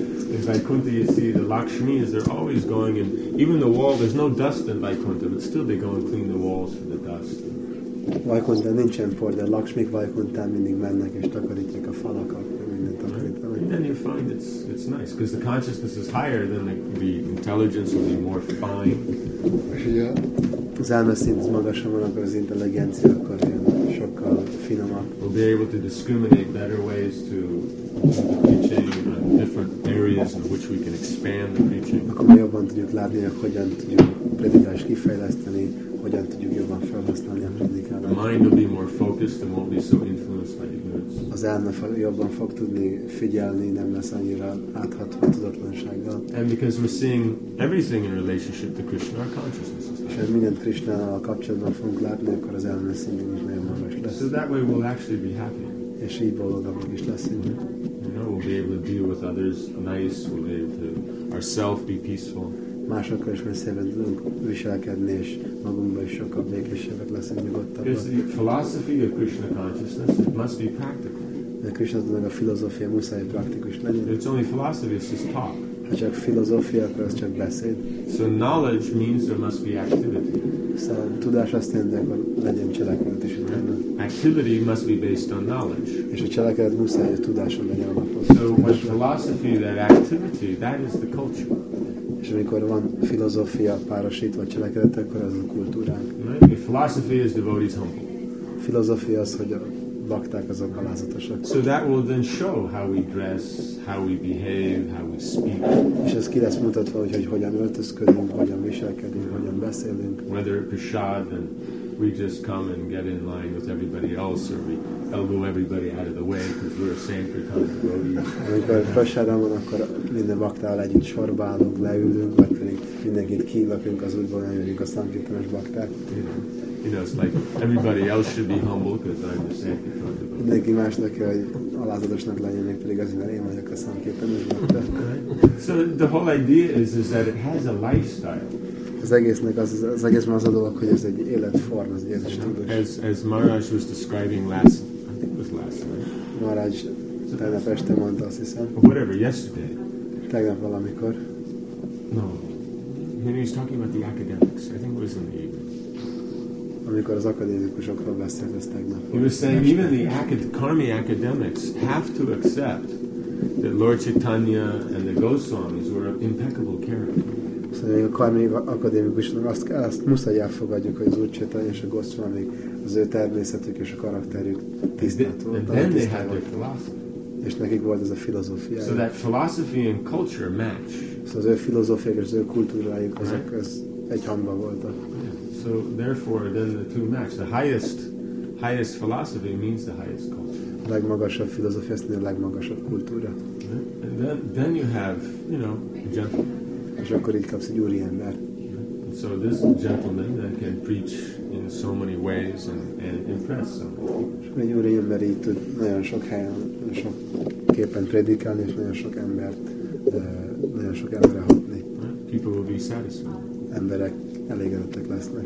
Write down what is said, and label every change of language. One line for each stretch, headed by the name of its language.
English: In Vaikuntha you see the Lakshmi is there always going and even the wall, there's no dust in Vaikuntha, but still they go and clean the walls for the dust.
Hungarian: Vaikuntha nincsen por, de Lakshmi Vaikuntha mindig mennek és takarítják a falakat.
English: And then you find it's nice because the consciousness is higher than the intelligence will be more fine. Yeah.
Hungarian: Az elme szint magasabb van, akkor az intelligencia akkor ilyen sokkal finomabb.
English: We'll be able to discriminate better ways to the preaching on different areas in which we can expand the preaching.
Hungarian: Akkor mi jobban tudjuk látni, hogy hogyan tudjuk predikást kifejleszteni, hogyan tudjuk jobban felhasználni a predikát.
English: The mind will be more focused and won't be so influenced by ignorance.
Hungarian: Az elme jobban fog tudni figyelni, nem lesz annyira átható a tudatlansággal.
English: And because we're seeing everything in relationship to Krishna, our consciousness is
Hungarian: és mindent Krishnával kapcsolatban fogunk látni, akkor az elme szintünk is nagyon magas lesz.
English: So that way we'll actually be happy.
Hungarian: És így boldogabbak is leszünk.
English: You know, we'll be able to deal with others nice, we'll be able to ourself be peaceful.
Hungarian: Másokkal is már szépen tudunk viselkedni, és magunkban is sokkal békésebbek leszünk, nyugodtabbak.
English: Because the philosophy of Krishna consciousness, it must be practical.
Hungarian: De Krishna tudnak a filozófia muszáj praktikus legyen.
English: It's only philosophy, it's just talk.
Hungarian: Ha csak filozófia, akkor az csak beszéd.
English: So knowledge means there must be activity.
Hungarian: Szóval tudás azt jelenti, hogy legyen cselekvőt is utána.
English: Activity must be based on knowledge.
Hungarian: És a cselekvőt muszáj, hogy tudáson legyen alapos.
English: So with philosophy, that activity, that is the culture.
Hungarian: És amikor van filozófia párosítva a cselekedet, akkor az a kultúránk.
English: A philosophy is devotees humble.
Hungarian: Filozófia az, hogy a bakták azok alázatosak.
English: So that will then show how we dress, how we behave, how we speak.
Hungarian: És ez ki lesz mutatva, hogy hogyan öltözködünk, hogyan viselkedünk, hogyan beszélünk.
English: Whether it's prasad and we just come and get in line with everybody else, or we elbow everybody out of the way because we're a Sankirtan devotee.
Hungarian: Amikor prasadam van, akkor minden baktával együtt sorba állunk, leülünk, vagy pedig mindenkit kívülökünk az útból, hogy jöjjünk a Sankirtanos bakták.
English: You know, it's like everybody else should be humble because I'm the Sankirtan devotee.
Hungarian: Mindenki másnak kell, hogy alázatosnak legyen, még pedig azért, mert én vagyok a Sankirtanos bakták.
English: So the whole idea is that it has a lifestyle.
Hungarian: Az egésznek az egész az a dolog, hogy ez egy életforma, az egész stílus.
English: As Maharaj was describing last, I think it was last night.
Hungarian: Maharaj tegnap este mondta, azt hiszem.
English: Whatever, yesterday.
Hungarian: Tegnap valamikor.
English: No. He was talking about the academics. I think it was in the evening.
Hungarian: Amikor az akadémikusokról beszélt, ez tegnap.
English: He was saying even the karmi academics have to accept that Lord Chaitanya and the Goswamis were an impeccable character.
Hungarian: Szóval még a karmi akadémikusnak azt muszáj elfogadjuk, hogy az Úr Csaitanya és a Goswamik, az ő természetük és a karakterük tisztelt volt.
English: And then they had their philosophy.
Hungarian: És nekik volt ez a filozófia.
English: So that philosophy and culture match.
Hungarian: Szóval az ő filozófia és az ő kultúrájuk, azok az egy hangban voltak.
English: Yeah. So therefore then the two match. The highest philosophy means the highest culture.
Hungarian: A legmagasabb filozófia, azt mondja, a legmagasabb kultúra.
English: And then you have, you know, gentleman.
Hungarian: És akkor így kapsz egy úri ember.
English: So this gentleman that can preach in so many ways and impress someone.
Hungarian: Egy úri ember így tud nagyon sok helyen, nagyon sok képen prédikálni, és nagyon sok embert, nagyon sok emberre hatni.
English: People will be satisfied.
Hungarian: Emberek elégedettek lesznek.